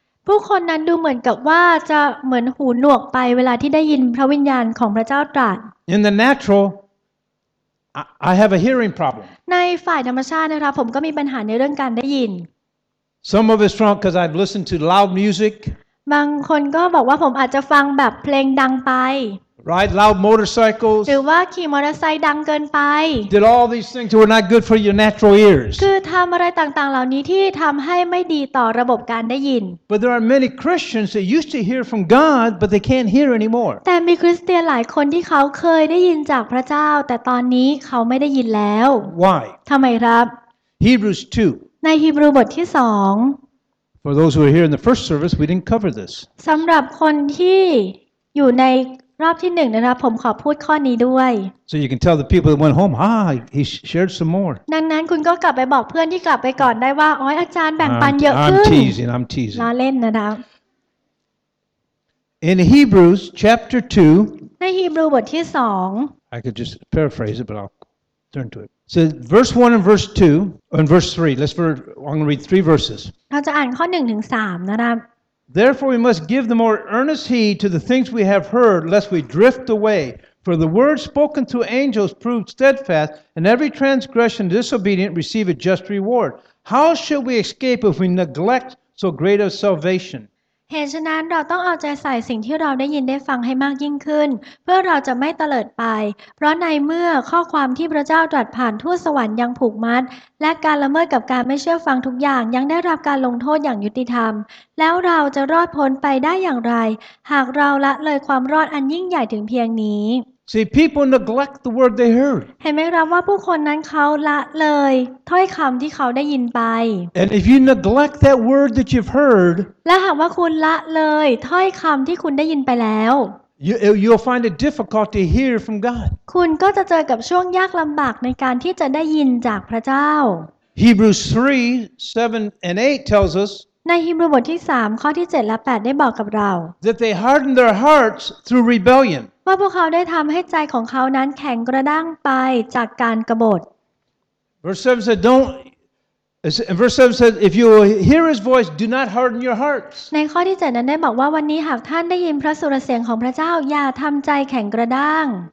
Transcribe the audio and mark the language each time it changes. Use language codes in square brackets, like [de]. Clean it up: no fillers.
[th] ผู้คนนั้นดูเหมือนกับว่าจะเหมือนหูหนวกไปเวลาที่ได้ยินพระวิญญาณของพระเจ้าตรัส [en] In the natural, I have a hearing problem. [th] ในฝ่ายธรรมชาตินะครับผมก็มีปัญหาในเรื่องการได้ยิน [en] Some of it's wrong because I've listened to loud music. [th] บางคนก็บอกว่าผมอาจจะฟังแบบเพลงดังไป [en] Ride loud motorcycles. [th] หรือว่าขี่มอเตอร์ไซค์ดังเกินไป [en] Did all these things were not good for your natural ears. [th] คือทำอะไรต่างๆเหล่านี้ที่ทำให้ไม่ดีต่อระบบการได้ยิน [en] But there are many Christians that used to hear from God, but they can't hear anymore. [th] แต่มีคริสเตียนหลายคนที่เขาเคยได้ยินจากพระเจ้าแต่ตอนนี้เขาไม่ได้ยินแล้ว [en] Why? [th] ทำไมครับ [en] Hebrews 2. [th] ในฮีบรูบทที่สอง [en] For those who were here in the first service, we didn't cover this. [th] สำหรับคนที่อยู่ในรอบที่หนึ่งนะครับผมขอพูดข้อนี้ด้วย [en] So you can tell the people that went home, he shared some more. [th] ดังนั้นคุณก็กลับไปบอกเพื่อนที่กลับไปก่อนได้ว่าอ๋ออาจารย์แบ่งปันเยอะขึ้น [en] I'm teasing. [th] ล้อเล่นนะครับ [en] In Hebrews chapter 2, [th] ในฮีบรูบทที่2 [en] I could just paraphrase it, but I'll turn to it. So verse 1 and verse 2, and verse 3, I'm going to read 3 verses. [th] เราจะอ่านข้อ1ถึง3นะครับ [en] Therefore we must give the more earnest heed to the things we have heard, lest we drift away. For the word spoken to angels proved steadfast, and every transgression disobedient receive a just reward. How shall we escape if we neglect so great a salvation? [th] เหตุฉะนั้นเราต้องเอาใจใส่สิ่งที่เราได้ยินได้ฟังให้มากยิ่งขึ้นเพื่อเราจะไม่เตลิดไปเพราะในเมื่อข้อความที่พระเจ้าตรัสผ่านทูตสวรรค์ยังผูกมัดและการละเมิดกับการไม่เชื่อฟังทุกอย่างยังได้รับการลงโทษอย่างยุติธรรมแล้วเราจะรอดพ้นไปได้อย่างไรหากเราละเลยความรอดอันยิ่งใหญ่ถึงเพียงนี้ [en] See, people neglect the word they heard. [th] เห็นไหมครับว่าผู้คนนั้นเขาละเลยถ้อยคำที่เขาได้ยินไป [en] And if you neglect that word that you've heard, [th] และหากว่าคุณละเลยถ้อยคำที่คุณได้ยินไปแล้ว [en] you'll find it difficult to hear from God. [th] คุณก็จะเจอกับช่วงยากลำบากในการที่จะได้ยินจากพระเจ้า [en] Hebrews 3, 7 and 8 tells us. [th] ในฮีบรูบทที่3ข้อที่7และ8ได้บอกกับเรา [en] That they hardened their hearts through rebellion [th] ว่าพวกเขาได้ทำให้ใจของเขานั้นแข็งกระด้างไปจากการกบฏ [en] Verse 7 said Verse 7 said if you hear his voice do not harden your hearts [th] ในข้อที่7นั้นได้บอกว่าวันนี้หากท่านได้ยินพระสุรเสียงของพระเจ้าอย่าทำใจแข็งกระด้าง